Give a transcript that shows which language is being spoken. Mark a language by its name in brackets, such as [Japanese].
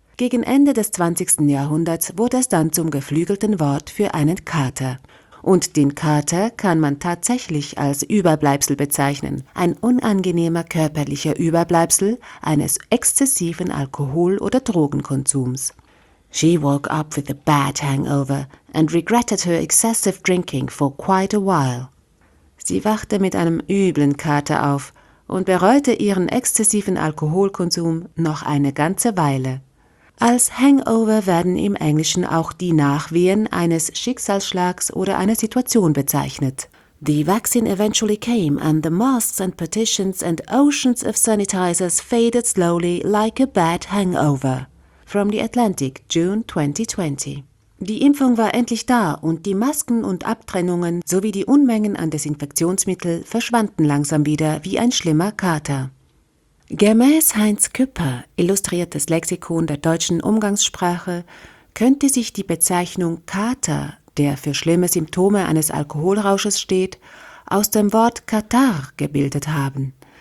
[German] Gegen Ende des 20. Jahrhunderts wurde es dann zum geflügelten Wort für einen Kater. Und den Kater kann man tatsächlich als Überbleibsel bezeichnen. Ein unangenehmer körperlicher Überbleibsel eines exzessiven Alkohol- oder Drogenkonsums. [English] She woke up with a bad hangover and regretted her excessive drinking for quite a while. [German] Sie wachte mit einem üblen Kater auf und bereute ihren exzessiven Alkoholkonsum noch eine ganze Weile. Als Hangover werden im Englischen auch die Nachwehen eines Schicksalsschlags oder einer Situation bezeichnet. [English] The vaccine eventually came and the masks and partitions and oceans of sanitizers faded slowly like a bad hangover. From the Atlantic, June 2020. [German] Die Impfung war endlich da und die Masken und Abtrennungen sowie die Unmengen an Desinfektionsmittel verschwanden langsam wieder wie ein schlimmer Kater. Gemäß Heinz Küpper, illustriertes Lexikon der deutschen Umgangssprache, könnte sich die Bezeichnung Kater, der für schlimme Symptome eines Alkoholrausches steht, aus dem Wort Katarrh gebildet haben.